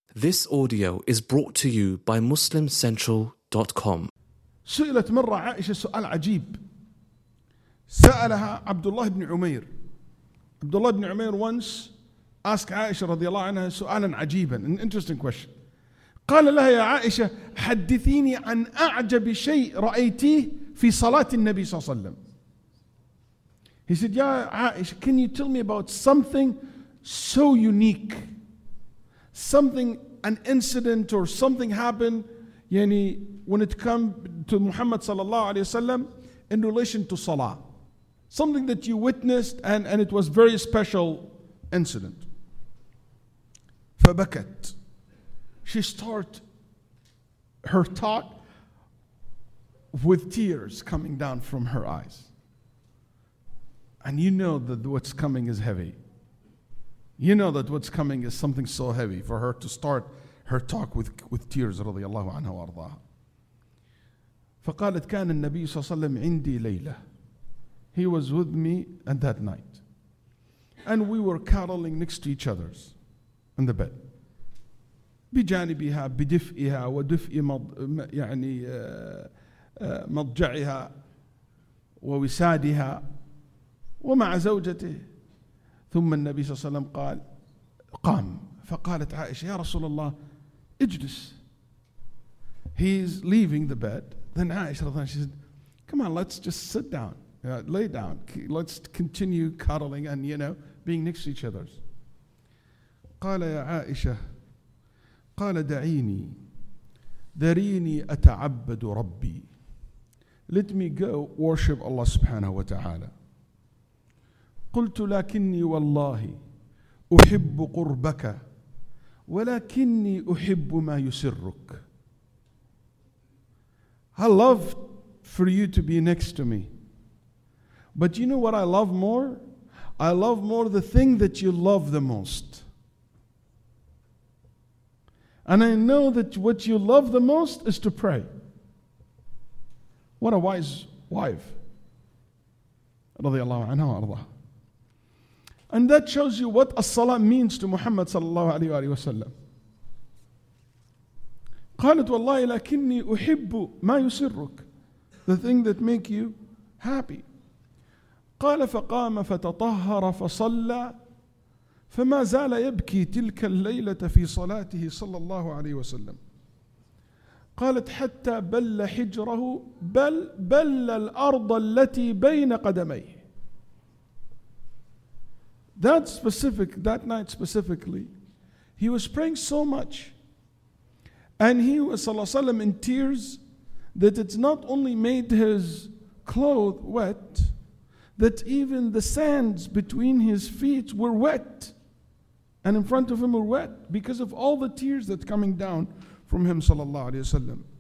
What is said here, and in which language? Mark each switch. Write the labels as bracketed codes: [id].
[en] This audio is brought to you by MuslimCentral.com. [ar] سئلت مرة عائشة سؤال عجيب. سألها عبد الله بن عمير. عبد الله بن عمير [en] once asked [ar] عائشة رضي الله عنها سؤالا عجيبا, [en] an interesting question. [ar] قال لها يا عائشة حدثيني عن أعجب شيء رأيتيه في صلاة النبي صلى الله عليه وسلم. [en] He said, "Ya Aisha, can you tell me about something so unique? Something, an incident or something happened, yani, when it comes to Muhammad sallallahu alayhi wa sallam in relation to salah. Something that you witnessed and it was very special incident." [ar] Fabakat. [en] She start her talk with tears coming down from her eyes. And you know that what's coming is heavy. You know that what's coming is something so heavy for her to start her talk with tears, [ar] رضي الله عنها وارضاها. فقالت كان النبي صلى الله عليه وسلم عندي ليلة. [en] He was with me at that night. And we were cuddling next to each other in the bed. [ar] بجانبها بدفئها ودفئ مض يعني مضجعها ووسادها ومع زوجته. ثم النبي صلى الله عليه وسلم قال قام. فقالت عائشة يا رسول الله اجلس. [en] He is leaving the bed. Then عائشة [ar] رضي الله عنها, [en] she said, come on, let's just sit down, lay down, let's continue cuddling and, you know, being next to each other. [ar] قال يا عائشة, قال دعيني, دريني أتعبد ربي. [en] Let me go worship Allah [ar] سبحانه وتعالى. قلت لكني والله أحب قربك ولكني أحب ما يسرك. [en] I love for you to be next to me. But you know what I love more? I love more the thing that you love the most. And I know that what you love the most is to pray. What a wise wife. [ar] رضي الله عنها وأرضاها. [en] And that shows you what as-salah means to Muhammad sallallahu alayhi wa sallam. [ar] قالت والله لكني أحب ما يسرك, [en] the thing that make you happy. [ar] قال فقام فتطهر فصلى فما زال يبكي تلك الليلة في صلاته صلى الله عليه وسلم. قالت حتى بل حجره بل بل الأرض التي بين قدميه. [en] That specific, that night specifically, he was praying so much. And he was, [ar] صلى الله عليه وسلم, [en] in tears, that it's not only made his clothes wet, that even the sands between his feet were wet, and in front of him were wet, because of all the tears that coming down from him, صلى الله عليه وسلم.